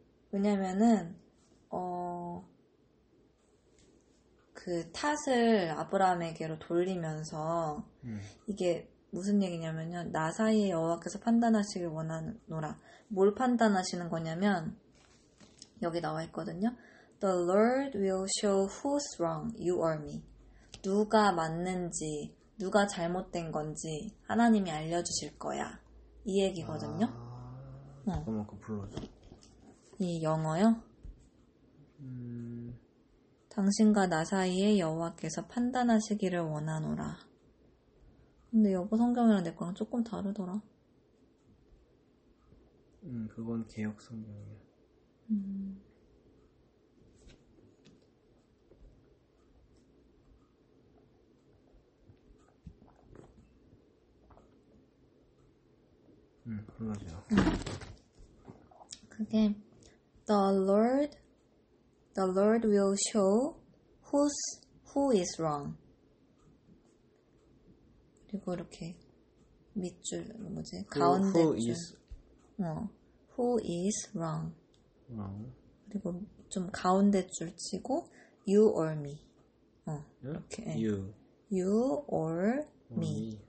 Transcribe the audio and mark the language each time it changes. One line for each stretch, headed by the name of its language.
Korean: 왜냐면은, 그 탓을 아브라함에게로 돌리면서 이게 무슨 얘기냐면요. 나 사이에 여호와께서 판단하시길 원하노라. 뭘 판단하시는 거냐면 여기 나와 있거든요.
English: The Lord will show who's wrong, you or me.
Korean: 누가 맞는지, 누가 잘못된 건지 하나님이 알려주실 거야. 이 얘기거든요. 잠깐만 그거 불러줘. 이 영어요. 당신과 나 사이에 여호와께서 판단하시기를 원하노라. 근데 여보 성경이랑 내 거랑 조금 다르더라. 그건 개역 성경이야. 불러줘.
English: 그게 The Lord will show who is wrong.
Korean: 그리고 이렇게 밑줄 뭐지 가운데 줄어
English: who is wrong
Korean: 그리고 좀 가운데 줄 치고
English: you or me
Korean: 이렇게
English: you you or me